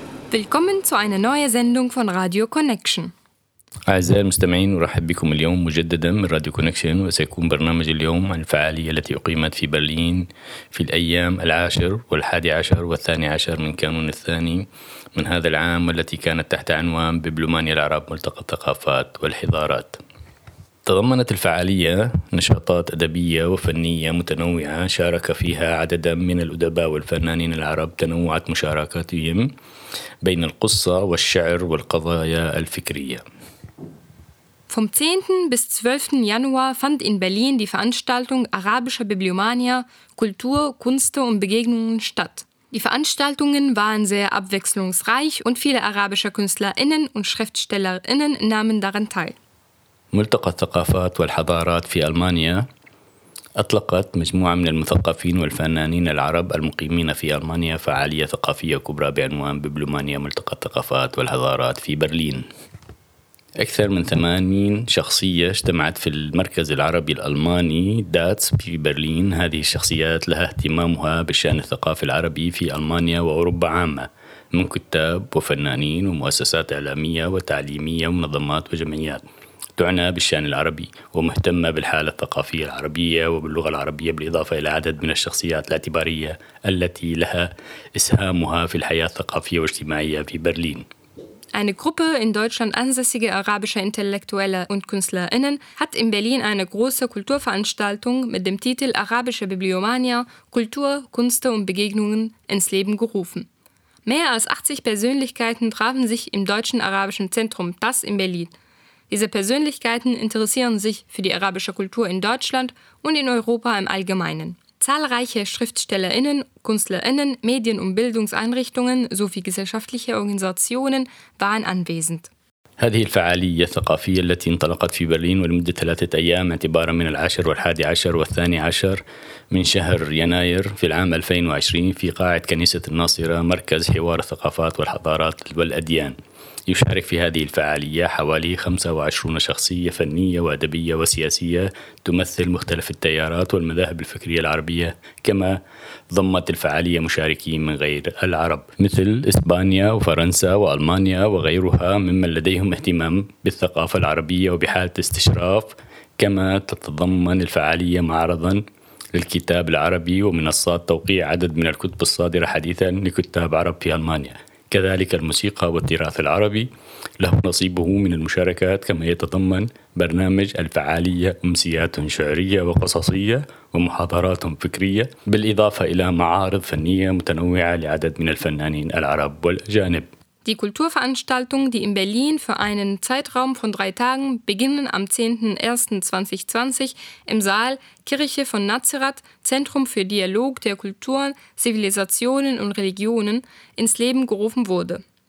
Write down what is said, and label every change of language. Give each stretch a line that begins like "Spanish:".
German: Willkommen zu einer neuen Sendung von Radio Connection.
Arabic: أعزائي المستمعين أرحب بكم اليوم مجددا من راديو كونكشن وسيكون برنامج اليوم عن الفعالية التي أقيمت في برلين في الأيام العاشر والحادي عشر والثاني عشر من كانون الثاني من هذا العام والتي كانت تحت عنوان بيبلومانيا العرب ملتقى الثقافات والحضارات. تضمنت الفعالية نشاطات أدبية وفنية متنوعة شارك فيها عددا من الأدباء والفنانين العرب تنوعت مشاركاتهم بين القصة والشعر والقضايا الفكرية.
German: Vom 10. bis 12. Januar fand in Berlin die Veranstaltung Arabischer Bibliomania – Kultur, Kunst und Begegnungen statt. Die Veranstaltungen waren sehr abwechslungsreich und viele arabische KünstlerInnen und SchriftstellerInnen nahmen daran teil.
Arabic: ملتقى الثقافات والحضارات في ألمانيا أطلقت مجموعة من المثقفين والفنانين العرب المقيمين في ألمانيا فعالية ثقافية كبرى بعنوان بيبلومانيا ملتقى الثقافات والحضارات في برلين. أكثر من 80 شخصية اجتمعت في المركز العربي الألماني داتس في برلين. هذه الشخصيات لها اهتمامها بالشأن الثقافي العربي في ألمانيا وأوروبا عامة من كتاب وفنانين ومؤسسات إعلامية وتعليمية ومنظمات وجمعيات تعنى بالشأن العربي ومهتمة بالحالة الثقافية العربية وباللغة العربية بالإضافة إلى عدد من الشخصيات الاعتبارية التي لها إسهامها في الحياة الثقافية والاجتماعية في برلين.
German: Eine Gruppe in Deutschland ansässiger arabischer Intellektueller und KünstlerInnen hat in Berlin eine große Kulturveranstaltung mit dem Titel Arabische Bibliomania – Kultur, Kunst und Begegnungen ins Leben gerufen. Mehr als 80 Persönlichkeiten trafen sich im Deutschen Arabischen Zentrum DAS in Berlin. Diese Persönlichkeiten interessieren sich für die arabische Kultur in Deutschland und in Europa im Allgemeinen. Zahlreiche SchriftstellerInnen, KünstlerInnen, Medien- und Bildungseinrichtungen sowie gesellschaftliche Organisationen waren anwesend.
Arabic: هذه الفعالية الثقافية التي انطلقت في برلين ولمدة 3 أيام اعتبارا من 10، 11، و12 من شهر يناير في العام 2020 في قاعة كنيسة الناصرة مركز حوار الثقافات والحضارات والأديان. يشارك في هذه الفعالية حوالي 25 شخصية فنية وأدبية وسياسية تمثل مختلف التيارات والمذاهب الفكرية العربية، كما ضمت الفعالية مشاركين من غير العرب مثل إسبانيا وفرنسا وألمانيا وغيرها ممن لديهم اهتمام بالثقافة العربية وبحالة استشراف. كما تتضمن الفعالية معرضاً للكتاب العربي ومنصات توقيع عدد من الكتب الصادرة حديثاً لكتاب عرب في ألمانيا. كذلك الموسيقى والتراث العربي له نصيبه من المشاركات، كما يتضمن برنامج الفعالية أمسيات شعرية وقصصية ومحاضرات فكرية بالإضافة إلى معارض فنية متنوعة لعدد من الفنانين العرب والأجانب.
German: Die Kulturveranstaltung, die in Berlin für einen Zeitraum von 3 Tagen beginnen am 10.01.2020 im Saal Kirche von Nazareth, Zentrum für Dialog der Kulturen, Zivilisationen und Religionen, ins Leben gerufen wurde.